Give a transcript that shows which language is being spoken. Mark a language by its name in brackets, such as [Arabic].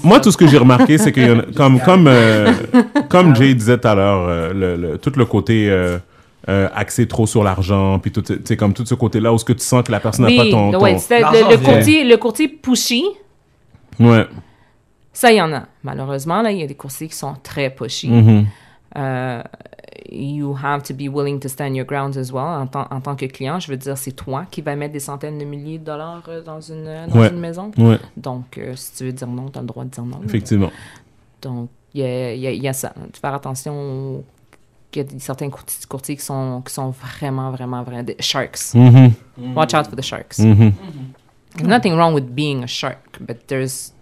[French] Moi tout ce que j'ai remarqué c'est que comme Jay disait tout à l'heure le côté axé trop sur l'argent puis tout c'est comme tout ce côté là où ce que tu sens que la personne n'a pas ton le courtier pushy. Ouais. Ça il y en a. Malheureusement là, il y a des courtiers qui sont très pushy. [English] You have to be willing to stand your ground as well. [French] En tant que client, je veux dire, c'est toi qui vas mettre des centaines de milliers de dollars dans une maison. Ouais. Donc, si tu veux dire non, tu as le droit de dire non. Effectivement. Donc, il y a ça. Faire attention qu'il y a certains courtiers qui sont vraiment, vraiment, vraiment des sharks. Mm-hmm. [English] Watch out for the sharks. Mm-hmm. Mm-hmm. Nothing wrong with being a shark, but there's...